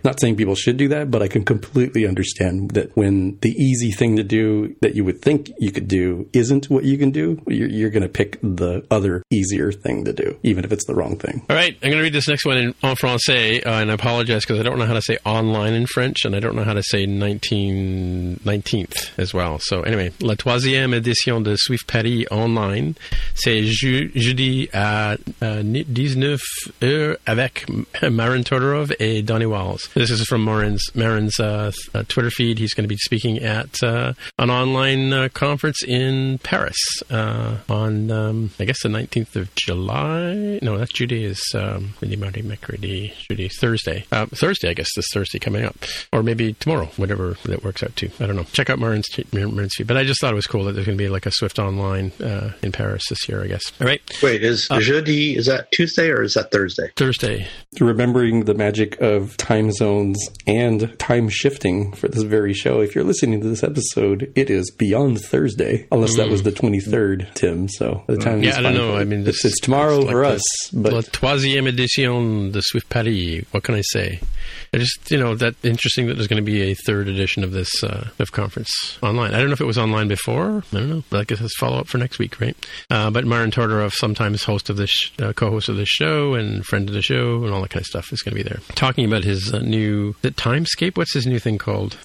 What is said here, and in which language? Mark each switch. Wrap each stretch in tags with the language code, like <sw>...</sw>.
<en>Not saying people should do that, but I can completely understand that when the easy thing to do that you would think you could do isn't what you can do, you're going to pick the other easier thing to do, even if it's the wrong thing. All right, I'm going to read this next one</en> <fr>en français,</fr> <en>and I apologize because I don't know how to say online in French, and I don't know how to say 19th as well. So anyway,</en> <fr>la troisième édition de Swift Paris online, c'est jeudi à 19h avec Marin Todorov et Donny Walls.</fr> <en>This is from Marin's Twitter feed. He's going to be speaking at an online conference in Paris on, I guess, the 19th of July. No, that's Judy. Thursday, I guess, this Thursday coming up, or maybe tomorrow, whatever that works out too. I don't know. Check out Marin's feed. But I just thought it was cool that there's going to be like a Swift online in Paris this year, I guess. All right. Wait, is jeudi, is that Tuesday or is that Thursday? Thursday. Remembering the magic of time zones and time shifting for this very show, if you're listening to this episode, it is beyond Thursday, unless that was the 23rd, Tim. So the time Is fine. I don't know. I mean, it's tomorrow like for us, but.</en> <fr>Troisième édition de Swift Paris.</fr> <en>What can I say? It's just, you know, that interesting that there's going to be a third edition of this of conference online. I don't know if it was online before. I don't know. But I guess it's follow-up for next week, right? But Marin Todorov, sometimes host of this, co-host of this show and friend of the show and all that kind of stuff, is going to be there. Talking about his new, the Timescape? What's his new thing called?</en>